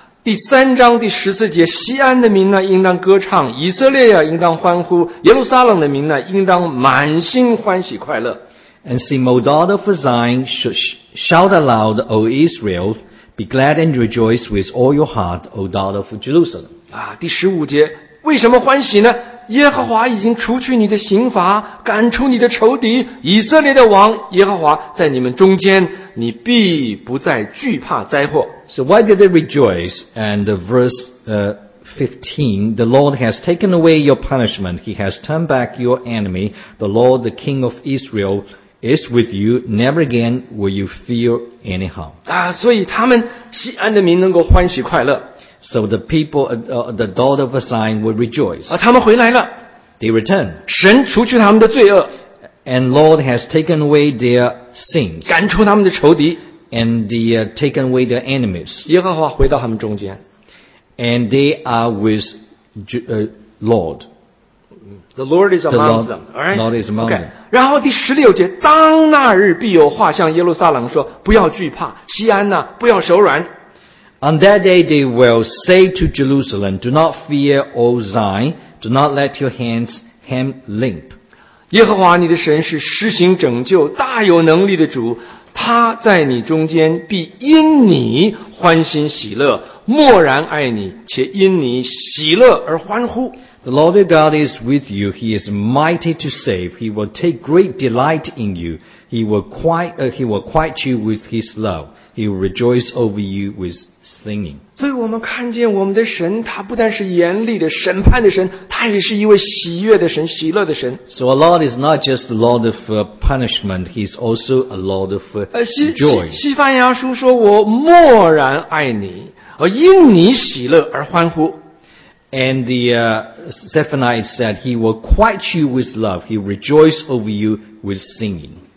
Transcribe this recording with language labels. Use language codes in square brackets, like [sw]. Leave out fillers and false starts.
[zh] 第三章第十四节，西安的民呢应当歌唱，以色列呀应当欢呼，耶路撒冷的民呢应当满心欢喜快乐。 [en] And see, my daughter of Zion should shout aloud, O Israel, be glad and rejoice with all your heart, O daughter of Jerusalem. [zh] 啊，第十五节，为什么欢喜呢？耶和华已经除去你的刑罚，赶出你的仇敌，以色列的王耶和华在你们中间，你必不再惧怕灾祸。 [en] So why did they rejoice? And verse 15, the Lord has taken away your punishment. He has turned back your enemy. The Lord, the King of Israel, is with you. Never again will you fear any harm. [zh] 所以他们西安的民能够欢喜快乐。 [en] So the people, the daughter of Zion will rejoice. [zh] 他们回来了。 [en] They return. [zh] 神除去他们的罪恶。 [en] And Lord has taken away their sins. [zh] 赶出他们的仇敌。 [en] And they have taken away their enemies. [zh] 耶和华回到他们中间。 [en] And they are with Lord. The Lord is among them. Alright? Lord is among them. Okay. [zh] 然后第十六节，当那日必有话向耶路撒冷说，不要惧怕，西安呐，不要手软。 [en] On that day they will say to Jerusalem, do not fear, O Zion, do not let your hand limp. [zh] 耶和华你的神是施行拯救、大有能力的主，他在你中间必因你欢欣喜乐。默然爱你，且因你喜乐而欢呼。 [en] The Lord your God is with you. He is mighty to save. He will take great delight in you. He will quiet you with His love. He will rejoice over you with singing. [zh] 所以我们看见我们的神，他不但是严厉的审判的神，他也是一位喜悦的神，喜乐的神。 [en] So our Lord is not just the Lord of punishment. He is also a Lord of joy. [zh] 西班牙书说我默然爱你。而因你喜乐而欢呼。 [en] And the Zephaniah said, He will quiet you with love. He will rejoice over you with singing.